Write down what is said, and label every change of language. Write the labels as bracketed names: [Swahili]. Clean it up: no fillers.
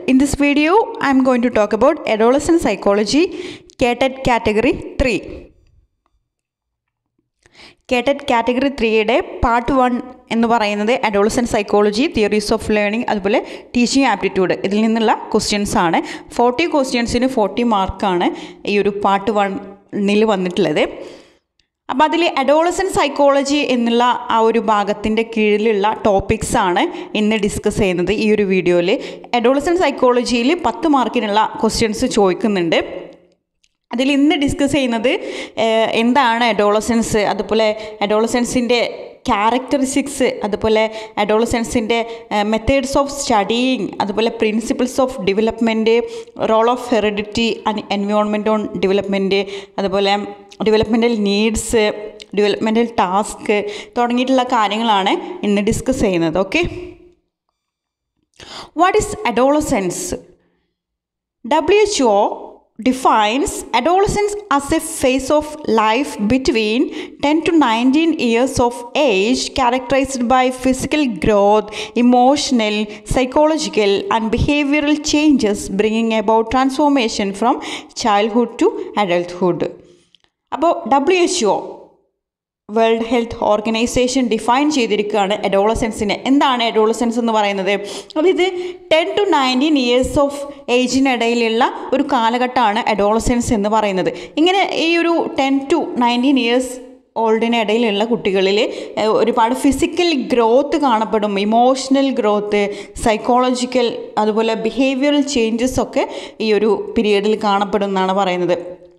[English] In this video I am going to talk about Adolescent Psychology, K-tet Category 3. [Malayalam] K-tet Category 3 Part 1 എന്ന് പറയുന്നത് Adolescent Psychology, Theories of Learning അതുപോലെ Teaching Aptitude ഇതിൽ നിന്നുള്ള questions ആണ്. 40 questions ന് 40 mark ആണ് ഈ ഒരു Part 1 ൽ വന്നിട്ടുള്ളത്. അപ്പോൾ അതിൽ അഡോളസൻ്റ് സൈക്കോളജി എന്നുള്ള ആ ഒരു ഭാഗത്തിൻ്റെ കീഴിലുള്ള ടോപ്പിക്സ് ആണ് ഇന്ന് ഡിസ്കസ് ചെയ്യുന്നത്. ഈ ഒരു വീഡിയോയിൽ അഡോളസൻ്റ് സൈക്കോളജിയിൽ 10 മാർക്കിനുള്ള ക്വസ്റ്റ്യൻസ് ചോദിക്കുന്നുണ്ട്. അതിൽ ഇന്ന് ഡിസ്കസ് ചെയ്യുന്നത് എന്താണ് അഡോളസൻസ്, അതുപോലെ അഡോളസൻസിൻ്റെ ക്യാരക്ടറിസ്റ്റിക്സ്, അതുപോലെ അഡോളസൻസിൻ്റെ മെത്തേഡ്സ് ഓഫ് സ്റ്റഡിയിങ്, അതുപോലെ principles of development, role of heredity and environment on development, അതുപോലെ ഡെവലപ്മെൻറ്റൽ നീഡ്സ്, ഡെവലപ്മെൻറ്റൽ ടാസ്ക് തുടങ്ങിയിട്ടുള്ള കാര്യങ്ങളാണ് ഇന്ന് ഡിസ്കസ് ചെയ്യുന്നത്. [English] Okay, what is adolescence? WHO defines adolescence as a phase of life between 10 to 19 years of age characterized by physical growth, emotional, psychological and behavioral changes bringing about transformation from childhood to adulthood. [Malayalam] അപ്പോൾ WHO world health organisation define ചെയ്തിരിക്കുകയാണ് അഡോളസൻസിനെ. എന്താണ് adolescence എന്ന് പറയുന്നത്? അപ്പോൾ ഇത് 10 to 19 years of ഏജിനിടയിലുള്ള ഒരു കാലഘട്ടമാണ് adolescence എന്ന് പറയുന്നത്. ഇങ്ങനെ ഈ ഒരു 10 to 19 ഇയേഴ്സ് ഓൾഡിന് ഇടയിലുള്ള കുട്ടികളിൽ ഒരുപാട് ഫിസിക്കൽ ഗ്രോത്ത് കാണപ്പെടും, ഇമോഷണൽ ഗ്രോത്ത്, സൈക്കോളജിക്കൽ അതുപോലെ ബിഹേവിയറൽ ചേഞ്ചസ് ഒക്കെ ഈ ഒരു പീരീഡിൽ കാണപ്പെടും എന്നാണ് പറയുന്നത്.